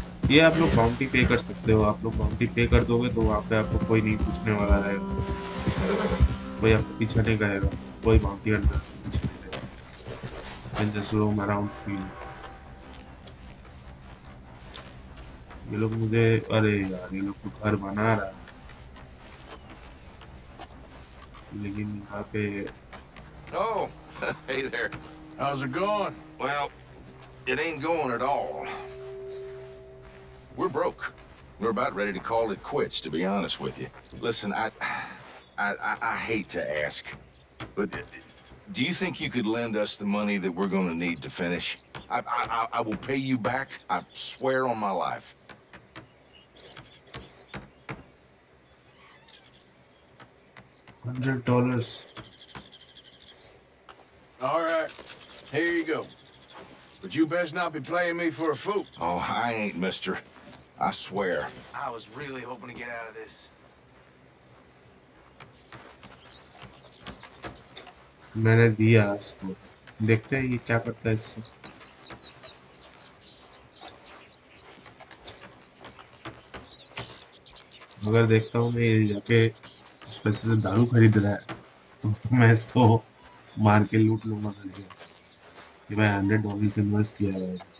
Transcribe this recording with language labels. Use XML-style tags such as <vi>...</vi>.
<hi>ये आप लोग बाउंटी पे कर सकते हो, आप लोग बाउंटी पे कर दोगे तो वहाँ पे आपको कोई नहीं पूछने वाला रहेगा, कोई आपको पीछे नहीं करेगा, कोई बाउंटी अंदर पीछे नहीं करेगा। अराउंड फील ये लोग मुझे, अरे यार ये लोग तो घर बना रहा है, लेकिन यहाँ पे</hi> <en>Oh, hey there. How's it going? Well, it ain't going at all. We're broke. We're about ready to call it quits, to be honest with you. Listen, I hate to ask, but do you think you could lend us the money that we're going to need to finish? I will pay you back. I swear on my life. $100. All right, here you go. But you best not be playing me for a fool. Oh, I ain't, mister. I swear. I was really hoping to get out of this.</en> <hi>मैंने दिया उसको, देखते हैं ये क्या करता है इससे। अगर देखता हूँ मैं जाके उस पैसे से दारू खरीद रहा है तो मैं इसको मार के लूट लूंगा घर से, कि मैं $100 इन्वेस्ट किया है।</hi>